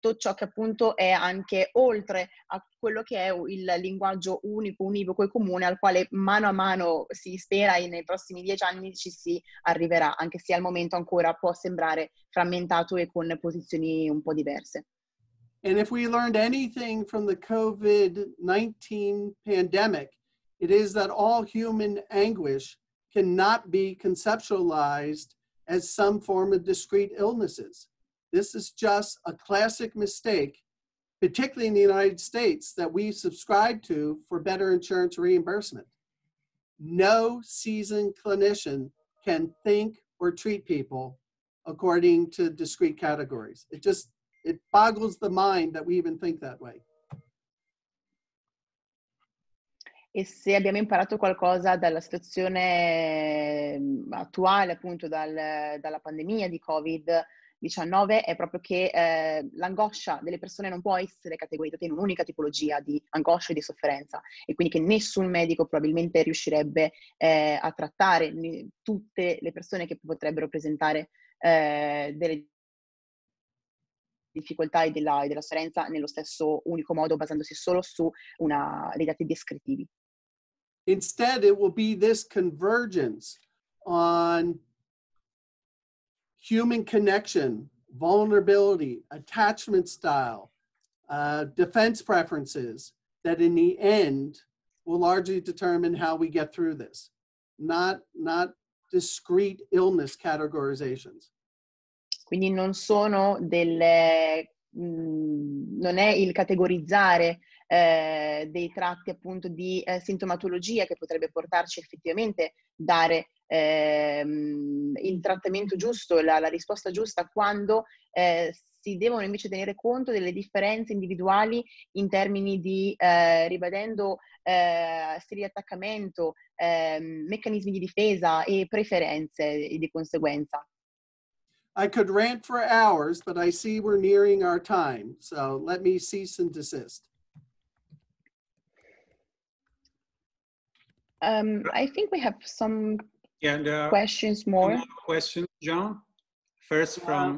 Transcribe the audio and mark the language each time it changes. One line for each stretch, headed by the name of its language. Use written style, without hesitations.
Italian: ciò che appunto è anche oltre a quello che è il linguaggio unico, univoco e comune al quale mano a mano si spera e nei prossimi 10 anni ci si arriverà, anche se al momento ancora può sembrare frammentato e con posizioni un po' diverse.
English: And if we learned anything from the COVID-19 pandemic, it is that all human anguish cannot be conceptualized as some form of discrete illnesses. This is just a classic mistake, particularly in the United States, that we subscribe to for better insurance reimbursement. No seasoned clinician can think or treat people according to discrete categories. It boggles the mind that we even think that way.
Italian: E se abbiamo imparato qualcosa dalla situazione attuale, appunto, dalla pandemia di COVID, 19 è proprio che l'angoscia delle persone non può essere categorizzata in un'unica tipologia di angoscia e di sofferenza e quindi che nessun medico probabilmente riuscirebbe a trattare tutte le persone che potrebbero presentare delle difficoltà e della sofferenza nello stesso unico modo basandosi solo su dei dati descrittivi.
English: Instead it will be this convergence on human connection, vulnerability, attachment style, defense preferences, that in the end will largely determine how we get through this, not discrete illness categorizations.
Italian: Quindi non sono non è il categorizzare dei tratti appunto di sintomatologia che potrebbe portarci effettivamente dare il trattamento giusto, la risposta giusta, quando si devono invece tenere conto delle differenze individuali in termini di, ribadendo, stili di attaccamento, meccanismi di difesa e preferenze di conseguenza.
English: I could rant for hours, but I see we're nearing our time, so let me cease and desist. I think we have some questions more. Questions, John? First from...